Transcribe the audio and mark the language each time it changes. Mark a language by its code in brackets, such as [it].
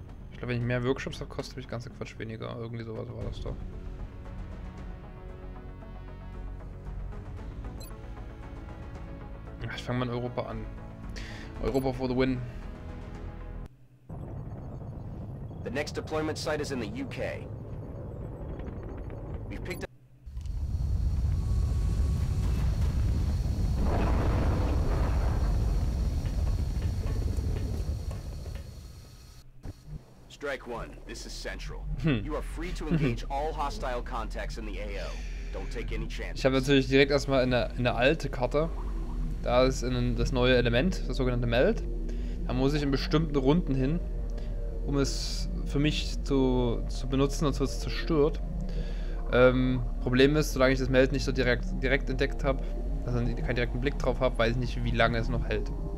[de] Ich glaube, wenn ich mehr Workshops habe, kostet mich ganze Quatsch weniger. Irgendwie sowas war das doch. Ich fange mal in Europa an. [en] Europa for the win. The next deployment site is in the UK. We've picked up. Strike one, this is central. You are free to engage all hostile contacts in the AO. Don't take any chances. [de] Ich habe natürlich direkt erstmal in der alte Karte. Da ist das neue Element, das sogenannte Meld. Da muss ich in bestimmten Runden hin, um es für mich zu benutzen, sonst wird es zerstört. Problem ist, solange ich das Meld nicht so direkt entdeckt habe, also keinen direkten Blick drauf habe, weiß ich nicht, wie lange es noch hält.